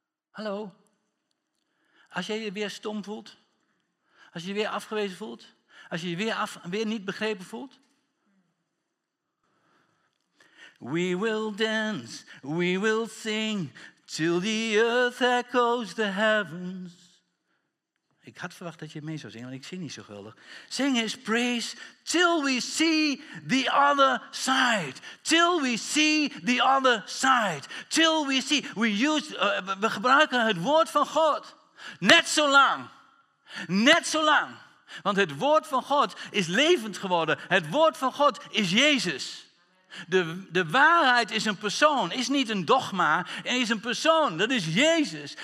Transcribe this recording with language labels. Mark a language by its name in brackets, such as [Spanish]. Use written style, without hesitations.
[Dutch] Hallo. Als jij je weer stom voelt, als je je weer afgewezen voelt, als je je weer niet begrepen voelt, [English] We will dance, we will sing, till the earth echoes the heavens. [Dutch] Ik had verwacht dat je mee zou zingen, want ik zing niet zo geweldig. [English] Sing his praise till we see the other side. Till we see the other side. Till we see. [Dutch] We gebruiken het woord van God net zo lang. Net zo lang. Want het woord van God is levend geworden. Het woord van God is Jezus. De waarheid is een persoon, is niet een dogma, is een persoon, dat is Jezus.